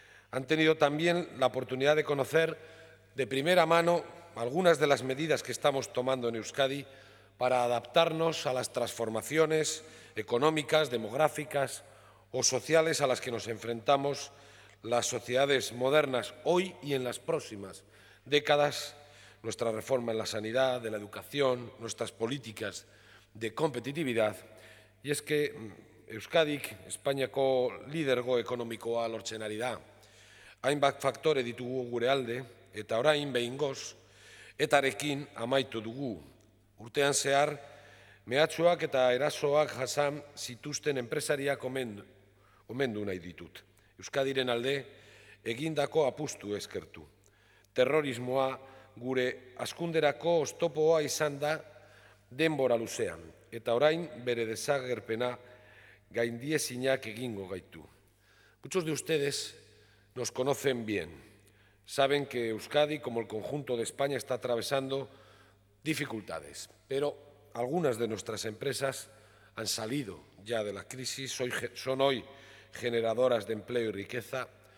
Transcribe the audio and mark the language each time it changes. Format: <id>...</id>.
<es>Han tenido también la oportunidad de conocer de primera mano algunas de las medidas que estamos tomando en Euskadi para adaptarnos a las transformaciones económicas, demográficas o sociales a las que nos enfrentamos las sociedades modernas hoy y en las próximas décadas. Nuestra reforma en la sanidad, de la educación, nuestras políticas de competitividad.</es> <eu>Y es que Euskadik Espainiako lidergo ekonomikoa lortzen ari da. Hainbat faktore ditugu gure alde eta orain behingoz etarekin amaitu dugu. Urtean zehar, mehatxuak eta erasoak jasan zituzten enpresariak omendu nahi ditut. Euskadiren alde, egindako apustu eskertu. Terrorismoa gure askunderako oztopoa izan da denbora luzean, eta orain bere desagerpena gaindiezinak egingo gaitu.</eu> <es>Muchos de ustedes nos conocen bien. Saben que Euskadi, como el conjunto de España, está atravesando dificultades, pero algunas de nuestras empresas han salido ya de la crisis, son hoy generadoras de empleo y riqueza.</es>